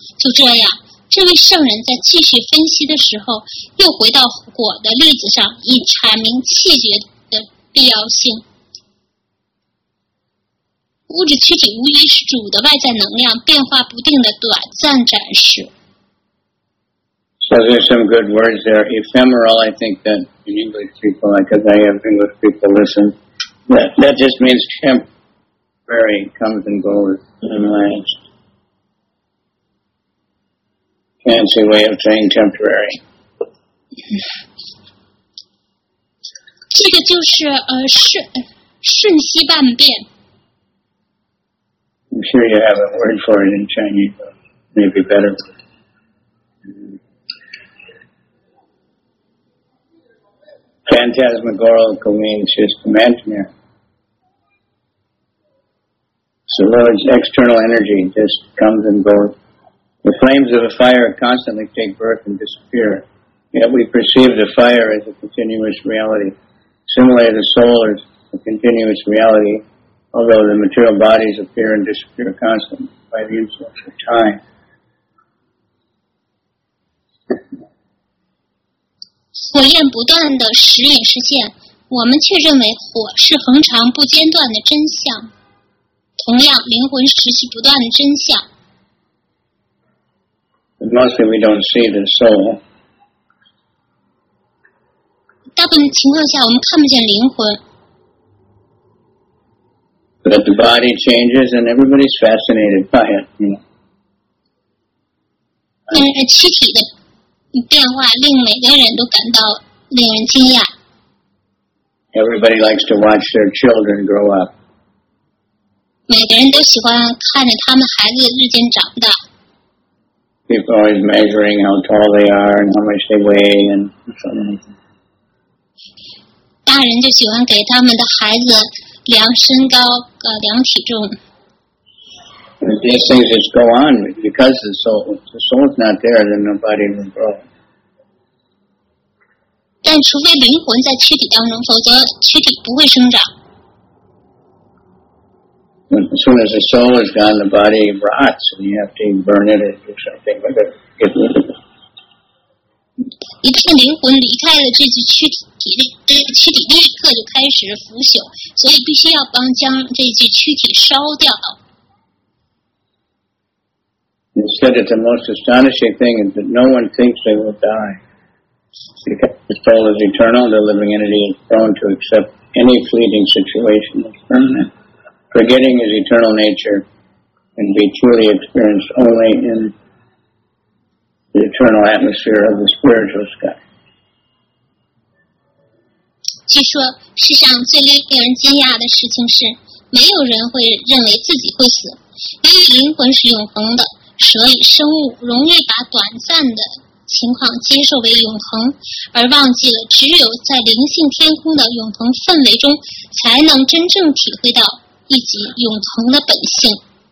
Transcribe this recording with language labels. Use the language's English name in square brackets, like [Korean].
[Chinese] 就这样，这位圣人在继续分析的时候又回到火的例子上，以阐明气绝的必要性。物质躯体无疑是主的外在能量变化不定的短暂展示。 [English] So there's some good words there. Ephemeral, I think that in English people, because I have English people listen, that just means temporary, comes and goes, and lasts. Fancy way of saying temporary. [Chinese] 这个就是瞬息万变。 [English] I'm sure you have a word for it in Chinese, but maybe better. Phantasmagorical means just imagine it. So Lord's external energy just comes and goes. The flames of a fire constantly take birth and disappear. Yet we perceive the fire as a continuous reality. Similarly, the soul is a continuous reality. Although the material bodies appear and disappear constantly by the influence of time. [Chinese] 火焰不断的时隐时现，我们却认为火是恒常不间断的真相。同样，灵魂时期不断的真相。 [English] But mostly we don't see the soul. [Chinese] 大部分情况下，我们看不见灵魂。 [English] But the body changes and everybody's fascinated by it, you know. [Chinese] 但是躯体的变化令每个人都感到令人惊讶。 [English] Everybody likes to watch their children grow up. [Chinese] 每个人都喜欢看着他们孩子日渐长大。 [English] People are always measuring how tall they are and how much they weigh and so on. [Chinese] 大人就喜欢给他们的孩子量身高量体重。 [English] These things just go on because the soul is not there, then nobody will grow. [Chinese] 但除非灵魂在躯体当中，否则躯体不会生长。 [English] As soon as the soul is gone, the body rots, and you have to burn it or do something with it. [Chinese] 一旦灵魂离开了这具躯体。躯体立刻就开始腐朽，所以必须要将这具躯体烧掉。 [English] He said that the most astonishing thing is that no one thinks they will die. Because the soul is eternal, the living entity is prone to accept any fleeting situation as permanent. Forgetting his eternal nature can be truly experienced only in the eternal atmosphere of the spiritual sky. [Chinese] 据说世上最令人惊讶的事情是没有人会认为自己会死，因为灵魂是永恒的，所以生物容易把短暂的情况接受为永恒，而忘记了只有在灵性天空的永恒氛围中才能真正体会到以及永恒的本性。